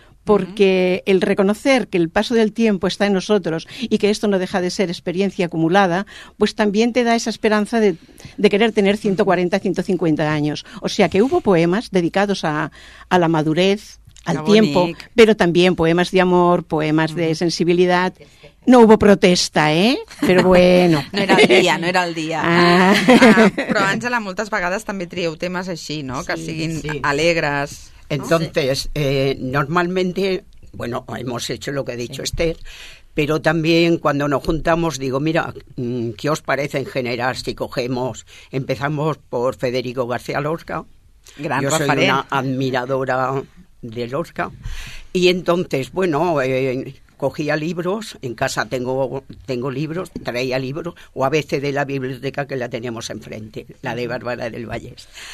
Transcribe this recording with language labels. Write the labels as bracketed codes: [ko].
[es] porque el reconocer que el paso del tiempo está en nosotros y que esto no deja de ser experiencia acumulada, pues también te da esa esperanza de querer tener 140, 150 años. O sea que hubo poemas dedicados a la madurez, al tiempo, pero también poemas de amor, poemas de sensibilidad. No hubo protesta, ¿eh? Pero bueno. No era el día, no era el día. [ca] Però, Àngela, moltes vegades també trieu temes així, no? Sí, que siguin alegres. [es] Entonces, normalmente, bueno, hemos hecho lo que ha dicho Esther, pero también cuando nos juntamos digo, mira, ¿qué os parece en general si cogemos, empezamos por Federico García Lorca? Gran Yo referente. Soy una admiradora de Lorca. Y entonces, bueno, cogía libros, en casa tengo libros, traía libros, o a veces de la biblioteca que la tenemos enfrente, la de Bárbara del Vallés.